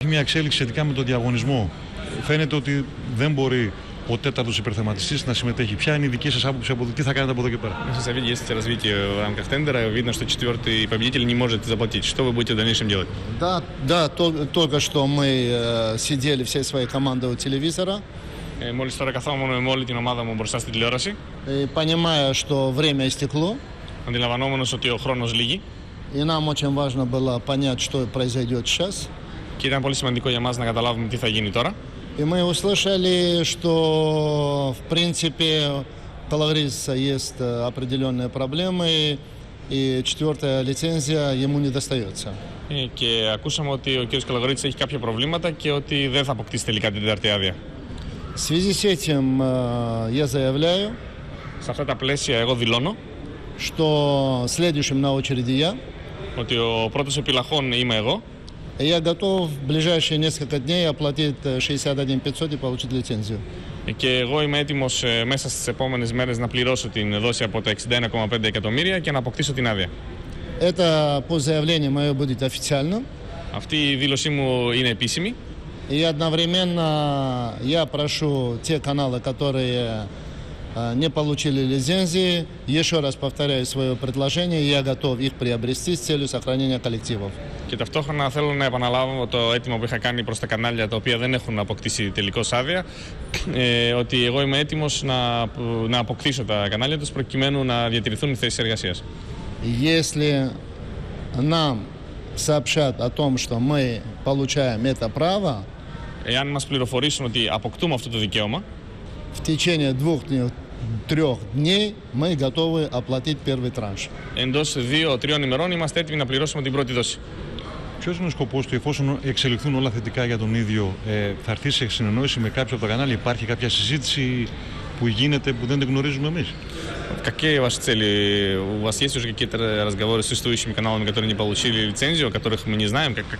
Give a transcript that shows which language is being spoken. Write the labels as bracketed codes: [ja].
[el] μια εξέλιξη σχετικά με τον διαγωνισμό. Φαίνεται ότι δεν μπορεί ο τέταρτος υπερθεματιστής να συμμετέχει. Ποια είναι η δική σας άποψη από τι θα κάνετε από εδώ και πέρα? Μέσα σε αυτή τη [ru] развитие в рамках тендера видно, что четвертый победитель не может заплатить. Что вы будете в дальнейшем делать? Да, да, только что мы сидели всей своей командой у телевизора. [el] Μόλις τώρα καθόμουν με όλη την ομάδα μου μπροστά στην τηλεόραση. [ru] Понимая, что время истекло. [el] Αντιλαμβανόμενος ότι ο χρόνος λύγει. [ru] И нам очень важно было понять, что произойдет сейчас. [el] Και ήταν πολύ σημαντικό για μας να καταλάβουμε τι θα γίνει τώρα. [ru] И мы услышали, что в принципе у Калагриса есть определенные проблемы и четвертая лицензия ему не достается. [el] Και ακούσαμε ότι ο κ. Καλαγρίτης έχει κάποια προβλήματα και ότι δεν θα αποκτήσει τελικά την τέταρτη άδεια. [ru] В связи с этим я заявляю, [el] σε αυτά τα πλαίσια εγώ δηλώνω, [ru] что следующим на очереди я, [el] ότι ο πρώτος επιλαχών είμαι εγώ. [ru] Я готов в ближайшие несколько дней оплатить 61 500 и получить лицензию. [el] Και εγώ είμαι έτοιμος μέσα στις επόμενες μέρες να πληρώσω την δόση από τα 61,5 εκατομμύρια και να αποκτήσω την άδεια. [ru] Это по заявлению мое будет официально. [el] Αυτή η δήλωσή μου είναι επίσημη. [ru] И одновременно я прошу те каналы, которые не получили лицензии, еще раз повторяю свое предложение, я готов их приобрести с целью сохранения коллективов. [el] Και ταυτόχρονα θέλω να επαναλάβω το αίτημα που είχα κάνει προς τα κανάλια τα οποία δεν έχουν αποκτήσει τελικώς άδεια, ότι εγώ είμαι έτοιμος να αποκτήσω τα κανάλια τους προκειμένου να διατηρηθούν οι θέσεις εργασίας. [ru] Если нам сообщат о том, что мы получаем это право, [el] εάν μας πληροφορήσουν ότι αποκτούμε αυτό το δικαίωμα, [ru] в течение двух-трех дней мы готовы оплатить первый транш. [el] Εντός 2-3 ημερών είμαστε έτοιμοι να πληρώσουμε την πρώτη δόση. Ποιος είναι ο σκοπός του, εφόσον εξελιχθούν όλα θετικά για τον ίδιο, θα έρθει σε συνεννόηση με κάποιο από το κανάλι, υπάρχει κάποια συζήτηση που γίνεται που δεν την γνωρίζουμε εμείς? [ru] Какие ваши цели? У вас есть уже какие-то разговоры с существующими каналами, которые не получили лицензию, о которых мы не знаем?